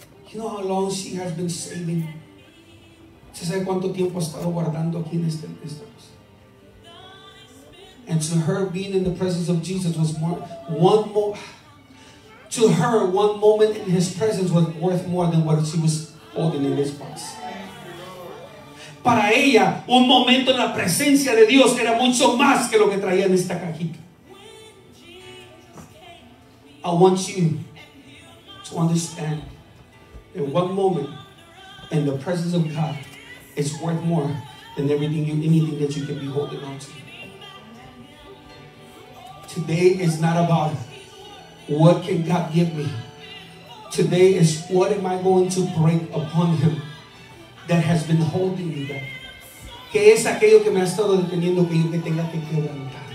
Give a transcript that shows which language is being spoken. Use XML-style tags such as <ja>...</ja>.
<en>You know how long she has been saving?</en> <es>¿Se sabe cuánto tiempo ha estado guardando aquí en este mes?</es> <en>And to her, being in the presence of Jesus was more, one more. To her, one moment in his presence was worth more than what she was holding in this box.</en> <es>Para ella, un momento en la presencia de Dios era mucho más que lo que traía en esta cajita.</es> <en>I want you to understand that one moment in the presence of God is worth more than anything that you can be holding on to. Today is not about what can God give me. Today is what am I going to bring upon him that has been holding me back.</en> <es>¿Qué es aquello que me ha estado deteniendo que yo que tenga que quebrantar?</es>